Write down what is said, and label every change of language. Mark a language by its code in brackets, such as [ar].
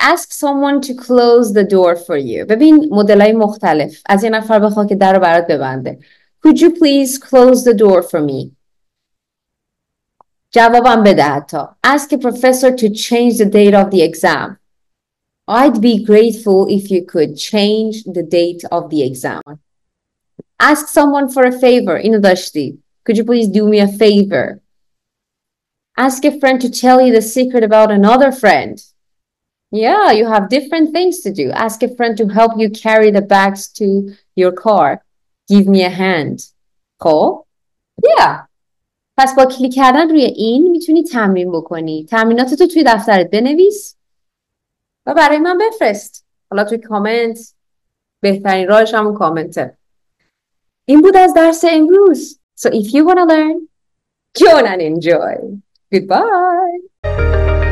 [en] Ask someone to close the door for you. [fa] ببین مدلای مختلف. از یه نفر بخواه که در رو برات ببنده. [en] Could you please close the door for me? [fa] جوابم بده حتی. [en] Ask a professor to change the date of the exam. I'd be grateful if you could change the date of the exam. Ask someone for a favor. [fa] اینو داشتی. [en] Could you please do me a favor? Ask a friend to tell you the secret about another friend. Yeah, you have different things to do. Ask a friend to help you carry the bags to your car. Give me a hand. Cool? Yeah. [fa] پس با کلیک کردن روی این میتونی تمرین بکنی. تمریناتتو تو توی دفترت بنویس و برای من بفرست. حالا توی کامنت بهترین راهش همون کامنته. این بود از درس امروز. [en] So if you wanna learn, join and enjoy. Goodbye.